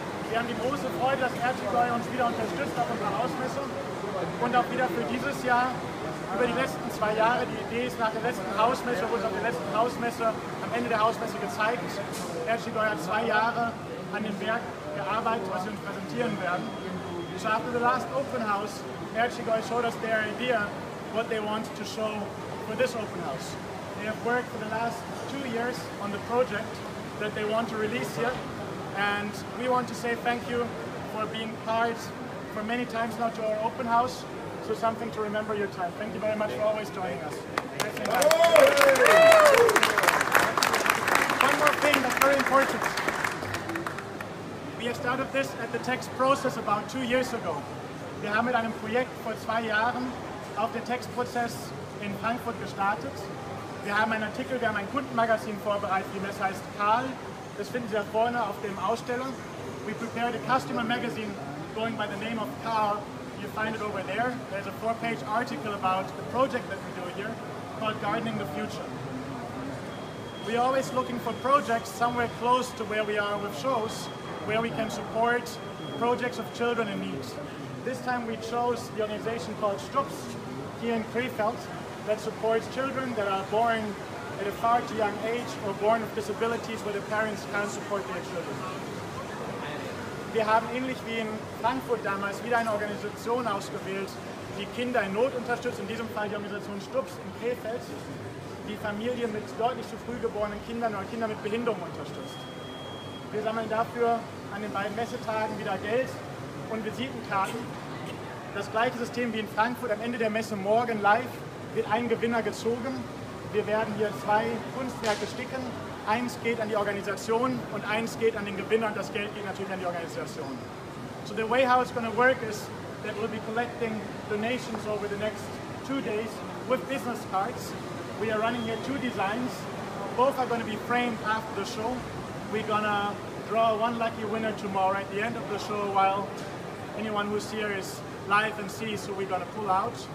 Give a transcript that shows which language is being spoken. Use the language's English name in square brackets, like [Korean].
[German] Wir haben die große Freude, dass Ercigoj uns wieder unterstützt auf unserer Hausmesse und auch wieder für dieses Jahr. Über die letzten zwei Jahre, die Idee ist nach der letzten Hausmesse, wo es auf der letzten Hausmesse am Ende der Hausmesse gezeigt, Ercigoj hat zwei Jahre an dem Werk gearbeitet, was wir uns präsentieren werden. [English] So after the last open house, Ercigoj showed us their idea, what they want to show for this open house. They have worked for the last 2 years on the project that they want to release here, and we want to say thank you for being part for many times now to our open house. So something to remember your time. Thank you very much for always joining us. One more thing that's very important. We have started this at the text process about 2 years ago. [German] Wir haben mit einem Projekt vor zwei Jahren auf den Textprozess in Frankfurt gestartet. Wir haben einen Artikel, wir haben ein Kundenmagazin vorbereitet, die Messe heißt Karl. Das finden Sie da vorne auf dem Aussteller. [English] We prepared a customer magazine going by the name of Karl. You find it over there. There's a 4-page article about the project that we do here called Gardening the Future. We are always looking for projects somewhere close to where we are with shows, where we can support projects of children in need. This time we chose the organization called Stups here in Krefeld that supports children that are born at a far too young age or born with disabilities where the parents can't support their children. [German] Wir haben ähnlich wie in Frankfurt damals wieder eine Organisation ausgewählt, die Kinder in Not unterstützt, in diesem Fall die Organisation Stups in Krefeld, die Familien mit deutlich zu früh geborenen Kindern oder Kindern mit Behinderung unterstützt. Wir sammeln dafür an den beiden Messetagen wieder Geld und Visitenkarten. Das gleiche System wie in Frankfurt, am Ende der Messe morgen live wird ein Gewinner gezogen. Wir werden hier zwei Kunstwerke sticken. Eins geht an die Organisation und eins geht an den Gewinner und das Geld geht natürlich an die Organisation. [English] So the way how it's going to work is that we'll be collecting donations over the next 2 days with business cards. We are running here two designs. Both are going to be framed after the show. We're going to draw one lucky winner tomorrow at the end of the show while anyone who's here is live and sees who we're going to pull out.